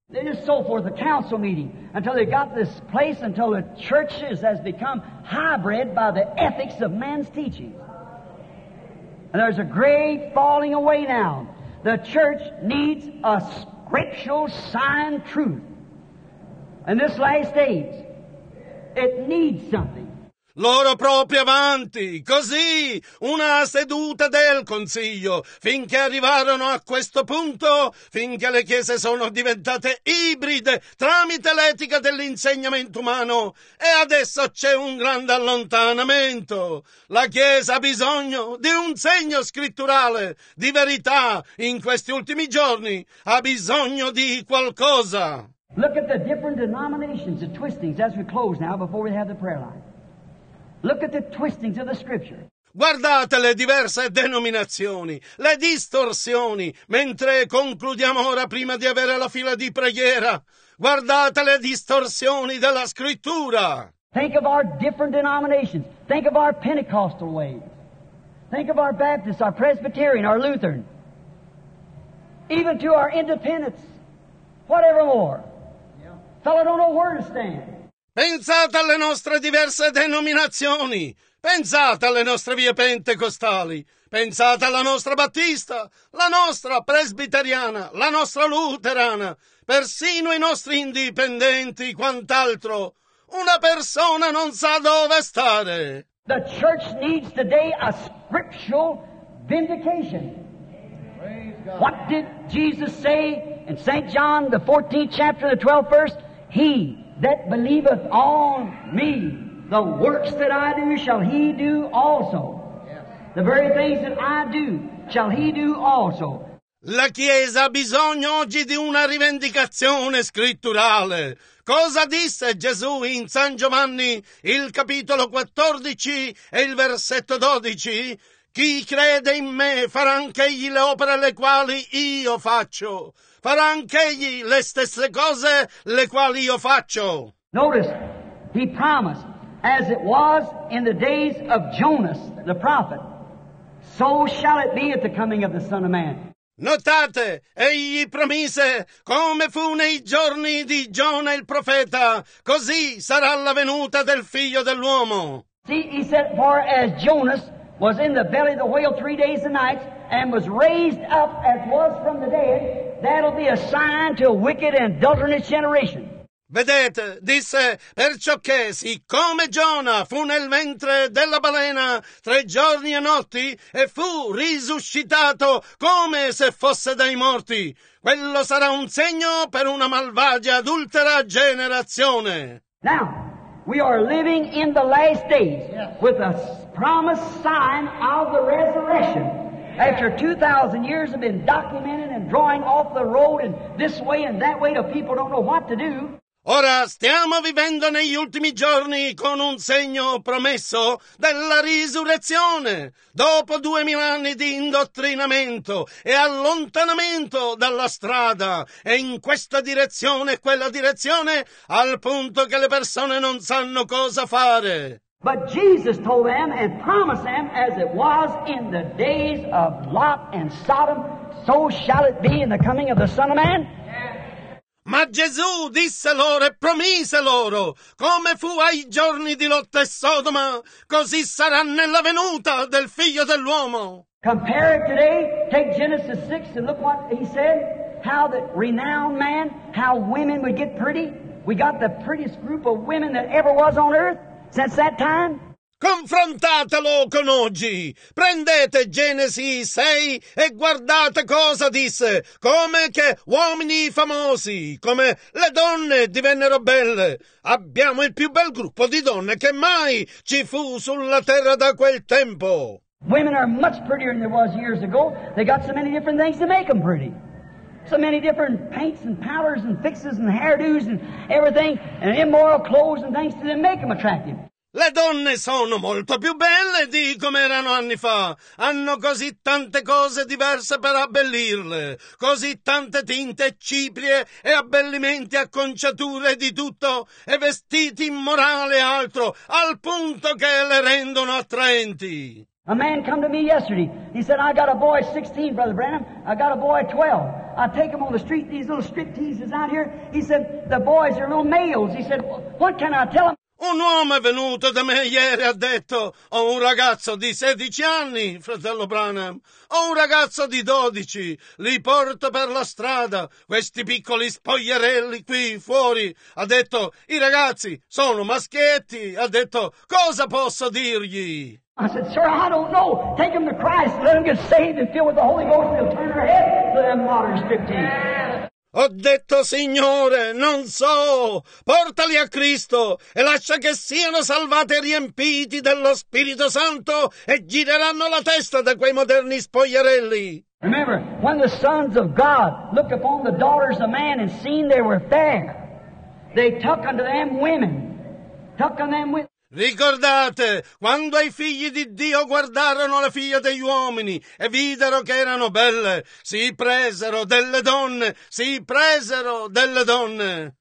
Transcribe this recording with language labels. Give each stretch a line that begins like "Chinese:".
English: They just so forth the council meeting until they got this place, until the churches has become hybrid by the ethics of man's teachings. And there's a great falling away now. The church needs a scriptural sign truth. In this last age, it needs something.
Italian: Loro proprio avanti, così, una seduta del consiglio, finché arrivarono a questo punto, finché le chiese sono diventate ibride tramite l'etica dell'insegnamento umano, e adesso c'è un grande allontanamento. La chiesa ha bisogno di un segno scritturale, di verità, in questi ultimi giorni, ha bisogno di qualcosa.
English: Look at the different denominations, the twistings, as we close now before we have the prayer line. Look at the twistings of the scripture.
Italian: Guardate le diverse denominazioni, le distorsioni, mentre concludiamo ora prima di avere la fila di preghiera. Guardate le distorsioni della scrittura.
English: Think of our different denominations. Think of our Pentecostal ways. Think of our Baptists, our Presbyterian, our Lutheran. Even to our independents. Whatever more. Fella don't know where to stand.
Italian: Pensate alle nostre diverse denominazioni. Pensate alle nostre vie pentecostali. Pensate alla nostra battista, la nostra presbiteriana, la nostra luterana, persino i nostri indipendenti, quant'altro. Una persona non sa dove stare.
English: The church needs today a scriptural vindication. What did Jesus say in St. John, the 14th chapter, the 12th verse? He that believeth on me, the works that I do, shall he do also. The very things that I do, shall he do also.
Italian: La Chiesa ha bisogno oggi di una rivendicazione scritturale. Cosa disse Gesù in San Giovanni, il capitolo 14 e il versetto 12? Chi crede in me farà anch'egli le opere le quali io faccio. Farà anch'egli le stesse cose le quali io faccio.
English: Notice, he promised, as it was in the days of Jonas, the prophet, So shall it be at the coming of the Son of Man.
Italian: Notate, egli promise, come fu nei giorni di Giona il profeta, così sarà la venuta del figlio dell'uomo.
English: See, he said, for as Jonas was in the belly of the whale 3 days and nights, and was raised up as was from the dead, that'll be a sign to a wicked and adulterous generation.
Italian: Vedete, disse, perciò che, siccome Giona fu nel ventre della balena 3 giorni e notti, e fu risuscitato come se fosse dai morti, quello sarà un segno per una malvagia adultera generazione.
English: Now, we are living in the last days with a promised sign of the resurrection. After 2,000 years have been documented and drawing off the road and this way and that way till people don't know what to do.
Italian: Ora stiamo vivendo negli ultimi giorni con un segno promesso della risurrezione. Dopo 2000 anni di indottrinamento e allontanamento dalla strada, e in questa direzione e quella direzione, al punto che le persone non sanno cosa fare.
English: But Jesus told them and promised them, as it was in the days of Lot and Sodom, so shall it be in the coming of the Son of Man.
Italian: Ma Gesù disse loro e promise loro, come fu ai giorni di Lot e Sodoma, così sarà nella venuta del figlio dell'uomo.
English: Compare it today, take Genesis 6 and look what he said, how the renowned man, how women would get pretty. We got the prettiest group of women that ever was on earth since that time.
Italian: Confrontatelo con oggi. Prendete Genesi 6 e guardate cosa disse. Come che uomini famosi, come le donne divennero belle. Abbiamo il più bel gruppo di donne che mai ci fu sulla terra da quel tempo.
English: Women are much prettier than there was years ago. They got so many different things to make them pretty. So many different paints and powders and fixes and hairdos and everything and immoral clothes and things to them make them attractive.
Italian: Le donne sono molto più belle di come erano anni fa. Hanno così tante cose diverse per abbellirle. Così tante tinte e ciprie e abbellimenti, acconciature di tutto. E vestiti immorali e altro, al punto che le rendono attraenti.
English: A man come to me yesterday. He said, I got a boy 16, Brother Branham. I got a boy 12. I take him on the street, these little strip teases out here. He said, the boys are little males. He said, what can I tell them?
Italian: Un uomo è venuto da me ieri e ha detto, ho un ragazzo di 16 anni, fratello Branham, ho un ragazzo di 12, li porto per la strada, questi piccoli spogliarelli qui fuori. Ha detto, i ragazzi sono maschietti, ha detto, cosa posso dirgli?
English: I said, sir, I don't know, take them to Christ, let them get saved and filled with the Holy Ghost, and they'll turn their head to them modern scriptures.
Italian: Ho detto, Signore, non so, portali a Cristo e lascia che siano salvati e riempiti dello Spirito Santo e gireranno la testa da quei moderni spogliarelli.
English: Remember, when the sons of God looked upon the daughters of man and seen they were fair, they took unto them women, took unto them with...
Italian: Ricordate, quando i figli di Dio guardarono le figlie degli uomini e videro che erano belle, si presero delle donne, si presero delle donne.